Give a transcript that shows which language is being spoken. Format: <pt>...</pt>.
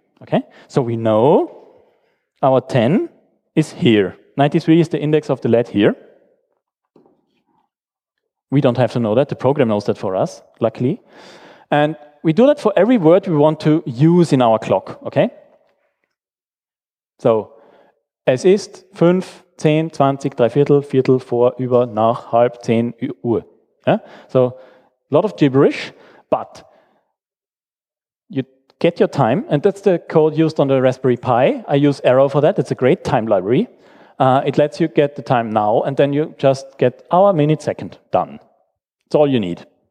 <en>Okay, so we know our 10 is here. 93 is the index of the LED here. We don't have to know that. The program knows that for us, luckily. And we do that for every word we want to use in our clock, okay?</en> <de>So, es ist 5, 10, 20, 3 Viertel, Viertel, vor, über, nach, halb, 10 Uhr.</de> <en>Yeah? So, a lot of gibberish, but you get your time, and that's the code used on the Raspberry Pi. I use Arrow for that. It's a great time library. It lets you get the time now, and then you just get hour, minute, second done. It's all you need.</en>